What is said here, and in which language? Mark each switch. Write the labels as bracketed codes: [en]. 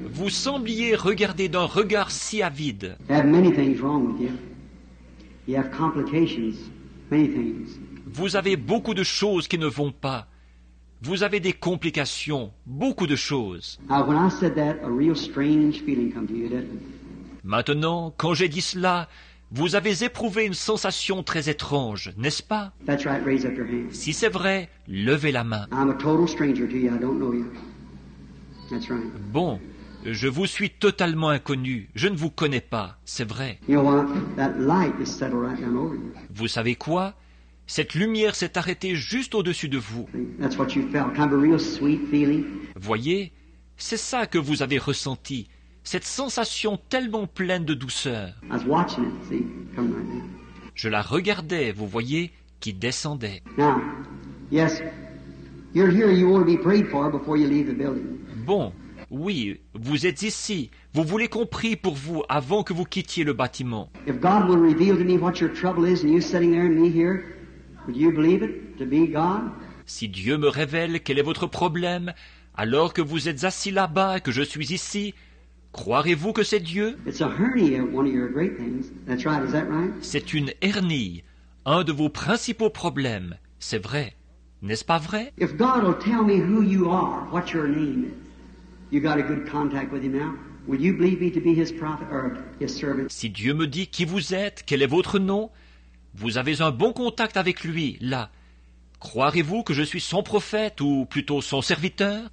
[fr] Vous sembliez regarder d'un regard si avide. [en] You have many things wrong with you. You have complications, many things. [fr] Vous avez beaucoup de choses qui ne vont pas. Vous avez des complications, beaucoup de choses. [en] When I said that, a real strange feeling came to you, didn't it? [fr] Maintenant, quand j'ai dit cela, vous avez éprouvé une sensation très étrange, n'est-ce pas? [en] That's right, raise up your hand. [fr] Si c'est vrai, levez la main. [en] I'm a total stranger to you, I don't know you. That's right. [fr] Bon, je vous suis totalement inconnu, je ne vous connais pas, c'est vrai. [en] You know what? That light is settled right down over you. [fr] Vous savez quoi? Cette lumière s'est arrêtée juste au-dessus de vous. [en] That's what you felt, kind of a real sweet feeling. [fr] Voyez, c'est ça que vous avez ressenti, cette sensation tellement pleine de douceur. [en] I was watching it, see, come right down. [fr] Je la regardais, vous voyez, qui descendait. [en] Now, yes, you're here, you want to be prayed for before you leave the building. [fr] Bon, oui, vous êtes ici. Vous voulez qu'on prie pour vous avant que vous quittiez le bâtiment. [en] If God will reveal to me what your trouble is and you sitting there and me here, would you believe it to be God? [fr] Si Dieu me révèle quel est votre problème, alors que vous êtes assis là-bas et que je suis ici, croirez-vous que c'est Dieu? [en] It's a hernia, one of your great things. That's right, is that right? [fr] C'est une hernie, un de vos principaux problèmes. C'est vrai, n'est-ce pas vrai? [en] If God will tell me who you are, what your name is. You got a good contact with him now. Would you believe me to be his prophet or his servant? [fr] Si Dieu me dit qui vous êtes, quel est votre nom, vous avez un bon contact avec lui là. Croirez-vous que je suis son prophète ou plutôt son serviteur?